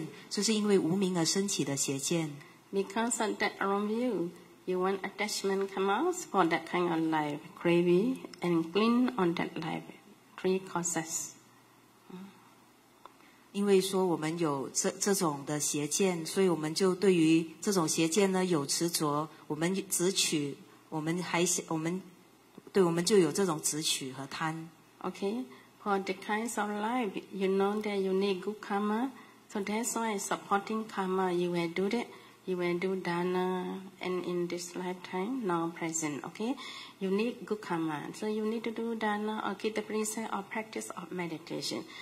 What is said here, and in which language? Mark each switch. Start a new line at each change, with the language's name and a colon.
Chinese: 那凡是说我们对于我们的身体，或者是对这个人生有这个执着，我们会想到说，在下一世我还想要做人，我想做女人，我想做男人，那这是邪见，这是因为无明而升起的邪见。Because
English: of that wrong view, you want attachment come out for that kind of life, craving and cling on that life, three causes.
Chinese: 因为说我们有这种的邪见，所以我们就对于这种邪见呢有执着，我们执取，我们还我们对我们就有这种执取和贪。Okay,
English: for the kinds of life, you know that you need good karma, so that's why supporting karma, you will do that, you will do dana, and in this lifetime, now present, okay, you need good karma, so you need to do dana or keep the precept or practice of meditation.